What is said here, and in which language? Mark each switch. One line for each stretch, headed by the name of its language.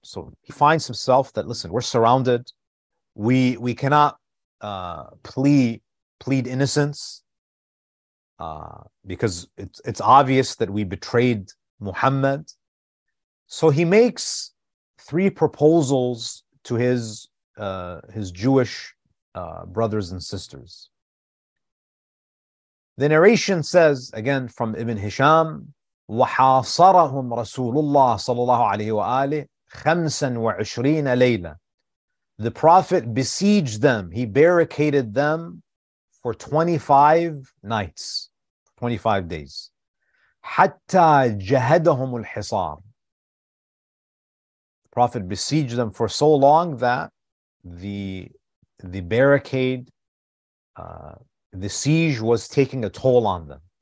English: So he finds himself that, listen, we're surrounded. We cannot plead innocence because it's obvious that we betrayed Muhammad. So he makes three proposals to his Jewish brothers and sisters. The narration says, again, from Ibn Hisham,
Arabic: وحاصرهم رسول الله صلى الله عليه وآله 25 ليلة.
English: The Prophet besieged them. He barricaded them for 25 nights, 25 days.
Arabic: حتى جهدهم الحصار.
English: The Prophet besieged them for so long that the barricade, the siege was taking a toll on them.